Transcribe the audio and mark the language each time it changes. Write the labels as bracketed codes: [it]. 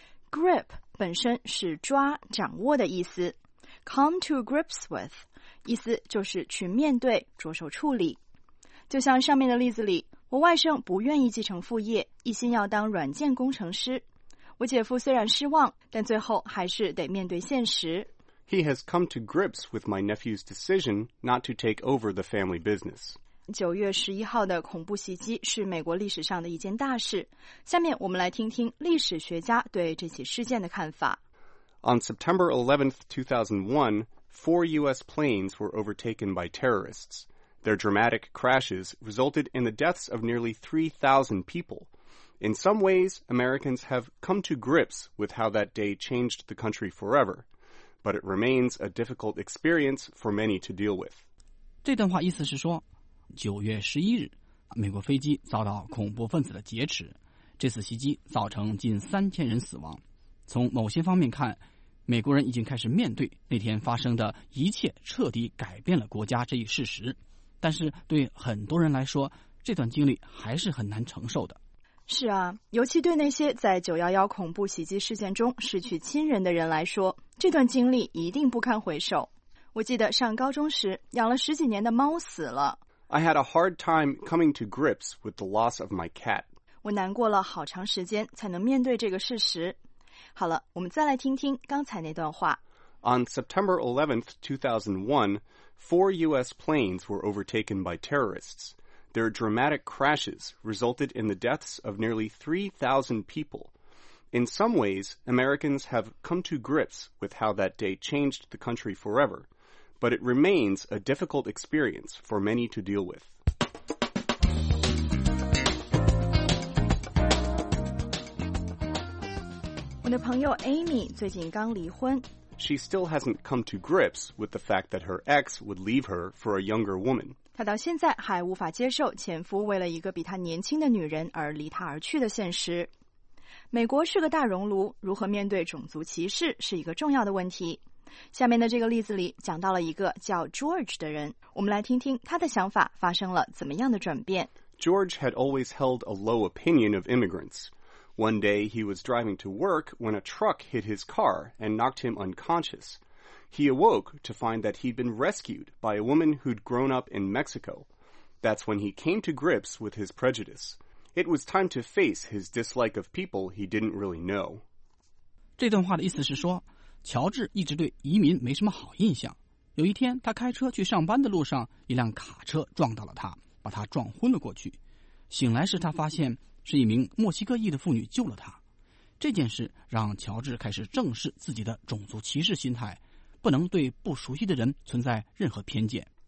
[zh] Grip 本身是抓、掌握的意思。 [en] Come to grips with, [zh] 意思就是去面对、着手处理。就像上面的例子里，我外甥不愿意继承父业，一心要当软件工程师。我姐夫虽然失望，但最后还是得面对现实。 [en] He has come to grips with my nephew's decision not to take over the family business. [zh] 9月11号的恐怖袭击是美国历史上的一件大事。下面我们来听听历史学家对这起事件的看法。 [en] On September 11th, 2001, four U.S. planes were overtaken by terrorists. Their dramatic crashes resulted in the deaths of nearly 3,000 people. In some ways, Americans have come to grips with how that day changed the country forever. But it remains a difficult experience for many to deal with. [zh] 这段话意思是说，九月十一日，美国飞机遭到恐怖分子的劫持，这次袭击造成近3000人死亡。从某些方面看，美国人已经开始面对那天发生的一切，彻底改变了国家这一事实。但是对很多人来说，这段经历还是很难承受的。是啊，尤其对那些在911恐怖袭击事件中失去亲人的人来说，这段经历一定不堪回首。我记得上高中时，养了十几年的猫死了。 [en] I had a hard time coming to grips with the loss of my cat. [zh] 我难过了好长时间才能面对这个事实。好了，我们再来听听刚才那段话。 [en] On September 11th, 2001, four U.S. planes were overtaken by terrorists. Their dramatic crashes resulted in the deaths of nearly 3,000 people. In some ways, Americans have come to grips with how that day changed the country forever, but it remains a difficult experience for many to deal with. My friend [zh] Amy 最近刚离婚。 [en] She still hasn't come to grips with the fact that her ex would leave her for a younger woman. [zh] 她到现在还无法接受前夫为了一个比她年轻的女人而离她而去的现实。美国是个大熔炉，如何面对种族歧视是一个重要的问题。下面的这个例子里讲到了一个叫 George 的人，我们来听听他的想法发生了怎么样的转变。 [en] George had always held a low opinion of immigrants. One day, he was driving to work when a truck hit his car and knocked him unconscious. He awoke to find that he'd been rescued by a woman who'd grown up in Mexico. That's when he came to grips with his prejudice. It was time to face his dislike of people he didn't really know. [zh] 这段话的意思是说，乔治一直对移民没什么好印象。有一天，他开车去上班的路上，一辆卡车撞到了他，把他撞昏了过去。醒来时，他发现是一名墨西哥裔的妇女救了他。这件事让乔治开始正视自己的种族歧视心态，不能对不熟悉的人存在任何偏见。